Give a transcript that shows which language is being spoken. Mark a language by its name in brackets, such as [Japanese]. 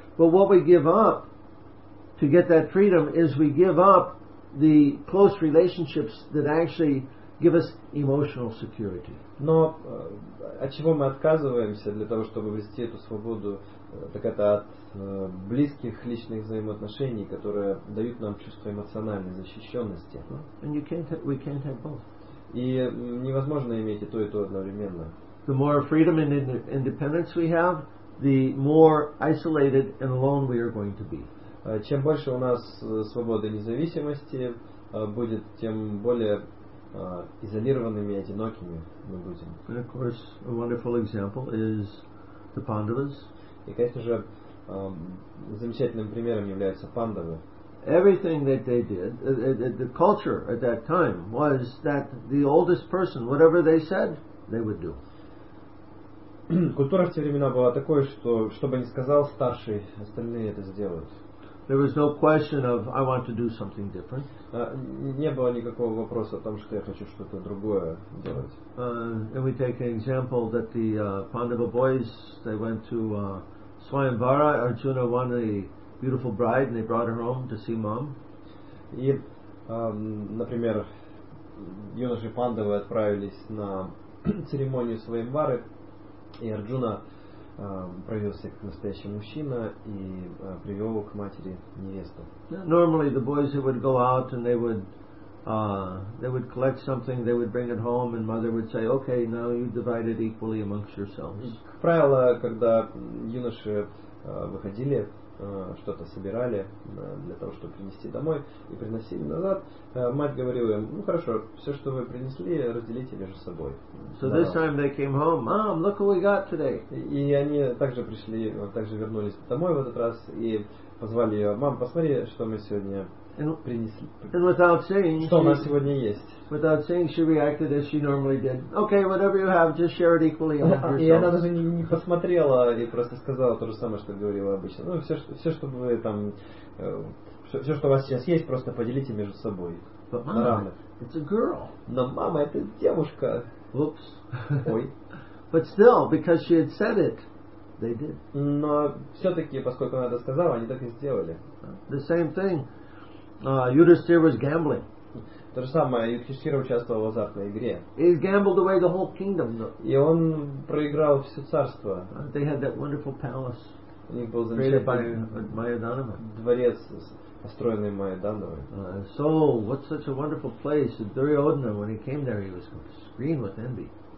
[English] But what we give up to get that freedom is we give up the close relationships that actually give us emotional security. [Russian] Но от чего мы отказываемся для того, чтобы обрести эту свободу, так это от близких личных взаимоотношений, которые дают нам чувство эмоциональной защищенности. [English] And we can't have both. [Russian] И невозможно иметь и то, и то одновременно. [English] The more freedom and independence we have, the more isolated and alone we are going to be. [Russian] Чем больше у нас свободы и независимости будет, тем более изолированными и одинокими мы будем. [English] And of course, a wonderful example is the Pandavas. [Russian] И, конечно же, замечательным примером являются Пандавы. [English] Everything that they did, the culture at that time was that the oldest person, whatever they said, they would do. [Russian] Культура в те времена была такой, что что бы ни сказал старший, остальные это сделают. [English] There was no question of I want to do something different. [Russian] Не было никакого вопроса о том, что я хочу что-то другое делать. [English] And we take an example that the Pandava boys, they went to Swayamvara. Arjuna won a beautiful bride, and they brought her home to see mom. [Russian] И, например, юноши Пандавы отправились на церемонию Свайамвары, и Арджуна проявился как настоящий мужчина и привел к матери невесту. [English] Normally, the boys would go out and they would collect something, they would bring it home, and mother would say, "Okay, now you divide it equally amongst yourselves." [Russian] Как правило, когда юноши выходили что-то собирали для того, чтобы принести домой и приносили назад, мать говорила им, ну хорошо, все, что вы принесли, разделите между собой. [English] So this time they came home, Mom, look what we got today. [Russian] И они также пришли, также вернулись домой в этот раз и позвали ее, мам, посмотри, что мы сегодня принесли. [English] And without saying, [Russian] что у нас сегодня есть. [English] Without saying, she reacted as she normally did. Okay, whatever you have, just share it equally among yourselves. [Russian] И она даже не посмотрела и просто сказала то же самое, что говорила обычно. Ну, все, что вы там, все, что у вас сейчас есть, просто поделите между собой. [English] It's a girl. [Russian] Но мама, это девушка. [English] Oops. [Russian] Ой. [English] But still, because she had said it, they did. [Russian] Но все-таки, поскольку она это сказала, они так и сделали. [English] The same thing. Yudhishthira was gambling. [Russian] То же самое, Юдхиштхира участвовал в азартной игре. [English] He gambled away the whole kingdom. [Russian] И он проиграл все царство. [English] They had that wonderful palace. [Russian] У них был замечательный дворец, построенный Майя-Дановой. [English] So, what's such a wonderful place? Duryodhana, when he came there, he was green with envy.